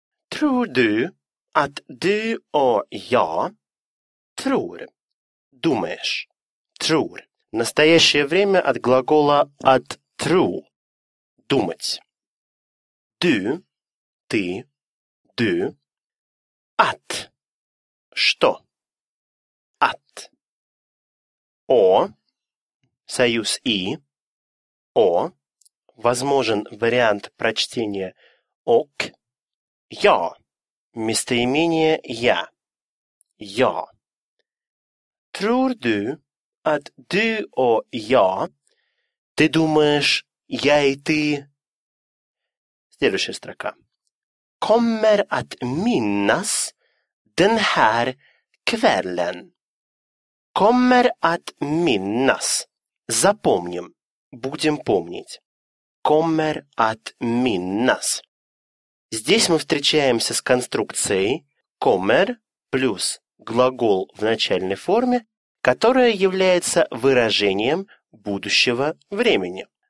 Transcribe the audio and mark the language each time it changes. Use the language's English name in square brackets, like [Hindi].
[Swedish] Tror du att du och jag tror. [Russian] Думаешь. Tror. Настоящее время от глагола at tro. Думать. Du. Ты. Du. At. Что. At. О. Союз и. О. Возможен вариант прочтения «ок». «Я». Местоимение «я». «Я». [Swedish] «Tror du at du og jeg?» [Russian] «Ты думаешь, я и ты?» Следующая строка. [Swedish] «Kommer at minnas den här kvällen?» «Kommer at minnas?» [Russian] «Запомним, будем помнить». [Swedish] Kommer att minnas. [Russian] Здесь мы встречаемся с конструкцией kommer плюс глагол в начальной форме, которая является выражением будущего времени.